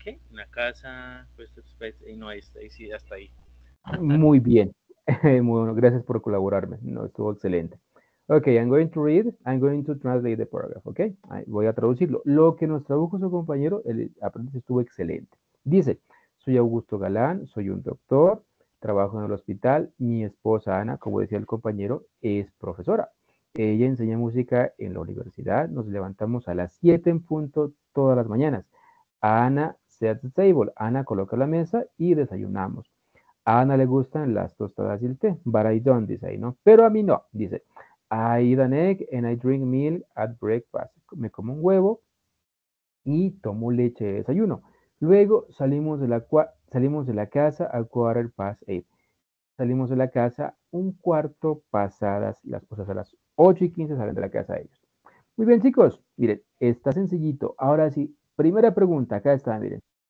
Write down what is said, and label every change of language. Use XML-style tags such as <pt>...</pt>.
<es>En la casa, pues no, ahí sí, hasta ahí. Muy bien. Muy bueno, gracias por colaborarme. No, estuvo excelente.</es> <en>Ok, I'm going to translate the paragraph, ok?</en> <es>Voy a traducirlo. Lo que nos tradujo su compañero, el aprendiz estuvo excelente. Dice, soy Augusto Galán, soy un doctor, trabajo en el hospital, mi esposa Ana, como decía el compañero, es profesora. Ella enseña música en la universidad, nos levantamos a las 7 en punto todas las mañanas.</es> <en>Ana sets the table,</en> <es>Ana coloca la mesa y desayunamos. A Ana le gustan las tostadas y el té,</es> <en>but I don't,</en> <es>dice ahí, ¿no? Pero a mí no, dice.</es> <en>I eat an egg and I drink milk at breakfast.</en> <es>Me como un huevo y tomo leche de desayuno. Luego salimos de la casa a 8:15. Salimos de la casa 8:15 salen de la casa ellos. Muy bien, chicos. Miren, está sencillito. Ahora sí, primera pregunta. Acá está, miren.</es>